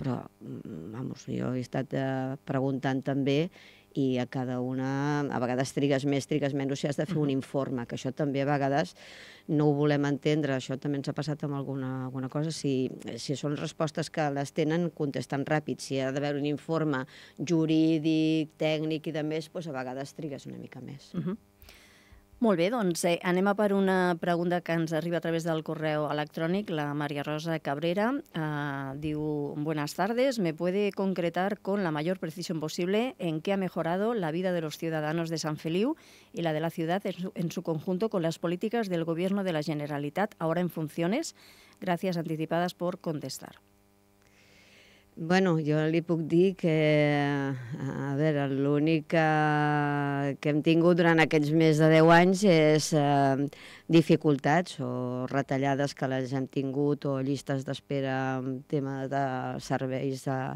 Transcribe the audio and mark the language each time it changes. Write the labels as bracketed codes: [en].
[ca] Però, vamos, jo he estat preguntant també i a cada una, a vegades trigues més, trigues menys, si has de fer un informe, que això també a vegades no ho volem entendre, això també ens ha passat amb alguna cosa, si són respostes que les tenen, contesten ràpid, si ha d'haver un informe jurídic, tècnic i de més, doncs a vegades trigues una mica més. Molt bé, doncs anem a per una pregunta que ens arriba a través del correu electrònic, la Maria Rosa Cabrera, diu, [es] buenas tardes, ¿me puede concretar con la mayor precisión posible en qué ha mejorado la vida de los ciudadanos de San Feliu y la de la ciudad en su conjunto con las políticas del Gobierno de la Generalitat ahora en funciones? Gracias anticipadas por contestar. [ca] Bueno, jo li puc dir que, a veure, l'únic que hem tingut durant aquests més de 10 anys és dificultats o retallades que les hem tingut o llistes d'espera en tema de serveis